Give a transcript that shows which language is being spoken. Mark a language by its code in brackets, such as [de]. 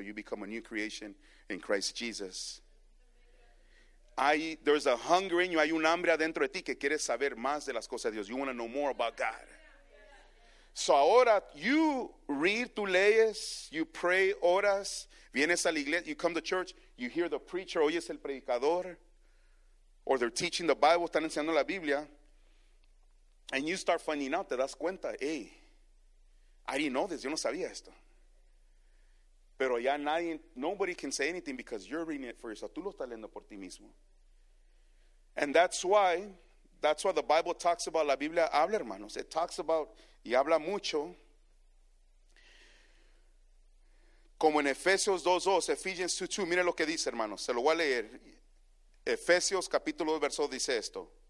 [en] You become a new creation in Christ Jesus. There's a hunger in you. [es] Hay un hambre adentro de ti que quieres saber más de las cosas de Dios. [en] You want to know more about God. So ahora, you read, [es] tú lees, [en] you pray, [es] oras, vienes a la iglesia, [en] you come to church, you hear the preacher, [es] oyes el predicador, [en] or they're teaching the Bible, [es] están enseñando la Biblia, [en] and you start finding out, [es] te das cuenta, [en] hey, I didn't know this. [es] Yo no sabía esto. Pero ya [en] nobody can say anything because you're reading it for yourself. [es] Tú lo estás leyendo por ti mismo. [en] And that's why the Bible talks about, [es] la Biblia habla, hermanos. [en] It talks about, [es] y habla mucho, como en Efesios 2:2, Ephesians 2:2. Mire lo que dice, hermanos. Se lo voy a leer. Efesios capítulo 2, verso, dice esto.